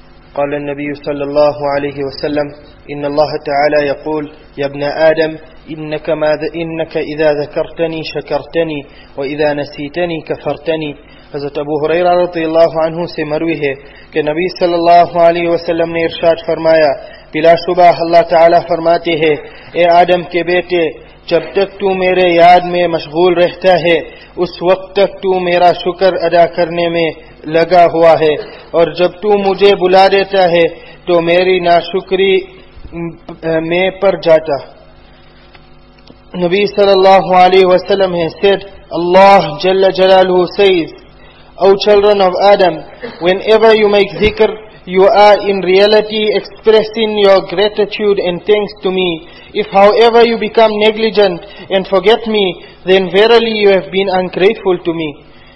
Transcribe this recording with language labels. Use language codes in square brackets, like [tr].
[ar] قال النبي صلى الله عليه وسلم إن الله تعالى يقول يا ابن آدم إنك ماذا إنك إذا ذكرتني شكرتني وإذا نسيتني كفرتني [ur] حضرت ابو ہریرہ رضی اللہ عنہ سے مروی ہے کہ نبی صلی اللہ علیہ وسلم نے ارشاد فرمایا, بلا شبہ اللہ تعالی فرماتے ہیں, اے آدم کے بیٹے, جب تک تو میرے یاد میں مشغول رہتا ہے اس وقت تک تو میرا شکر ادا کرنے میں لگا ہوا ہے, اور جب تو مجھے بلا دیتا ہے تو میری ناشکری میں پر جاتا. نبی صلی اللہ علیہ وسلم [en] has said, Allah Jalla Jalaluhu says, O children of Adam, whenever you make dhikr, you are in reality expressing your gratitude and thanks to me. If however you become negligent and forget me, then verily you have been ungrateful to me.